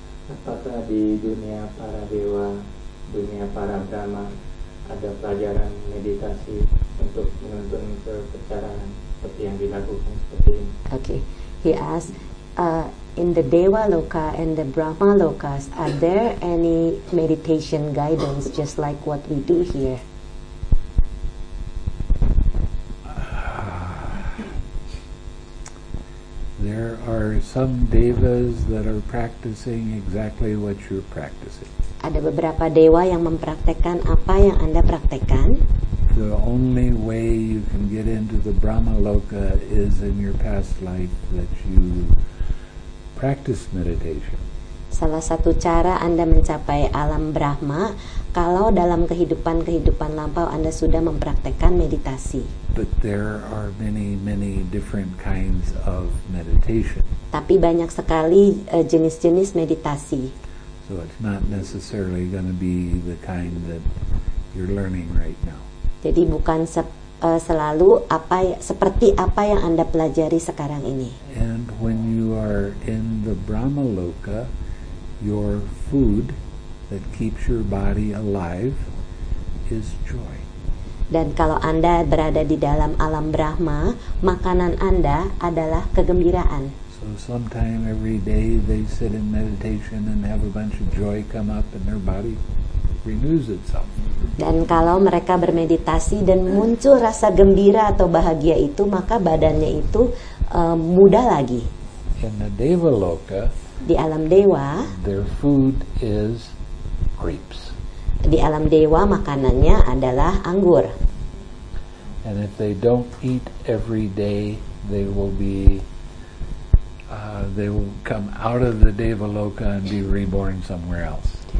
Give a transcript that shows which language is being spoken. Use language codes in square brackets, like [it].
[id] Apakah di dunia para dewa, dunia para brahma, ada pelajaran meditasi untuk menuntun ke pencerahan seperti yang dilakukan seperti ini? [en] Okay, he asked, in the Dewa Loka and the Brahma Lokas, are there any meditation guidance just like what we do here? There are some devas that are practicing exactly what you're practicing. [id] Ada beberapa dewa yang mempraktekkan apa yang Anda praktekkan. [en] The only way you can get into the Brahma Loka is in your past life that you practice meditation. [id] Salah satu cara Anda mencapai alam Brahma kalau dalam kehidupan-kehidupan lampau Anda sudah mempraktekkan meditasi. [en] But there are many, many different kinds of meditation. [id] Tapi banyak sekali jenis-jenis meditasi. [en] So it's not necessarily going to be the kind that you're learning right now. [id] Jadi bukan selalu apa seperti apa yang Anda pelajari sekarang ini. [en] And when you are in the Brahma Loka, your food that keeps your body alive is joy. [id] Dan kalau Anda berada di dalam alam Brahma, makanan Anda adalah kegembiraan. [en] So sometime every day they sit in meditation and have a bunch of joy come up and their body renews itself. [id] Dan kalau mereka bermeditasi dan muncul rasa gembira atau bahagia itu, maka badannya itu muda lagi. [en] In the Devaloka, [id] di alam dewa, [en] their food is grapes. [id] Di alam dewa makanannya adalah anggur. [en] And if they don't eat every day, they will be they will come out of the Devaloka and be reborn somewhere else.